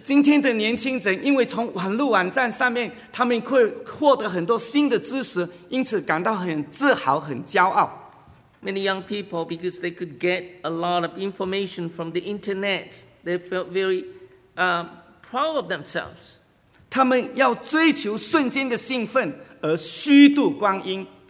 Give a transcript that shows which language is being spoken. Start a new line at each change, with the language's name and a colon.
Chinese: 今天的年轻人因为从网络网站上面他们会获得很多新的知识因此感到很自豪很骄傲。
English: Many young people, because they could get a lot of information from the internet, they felt very proud of themselves.
Chinese: 他们要追求瞬间的兴奋而虚度光阴。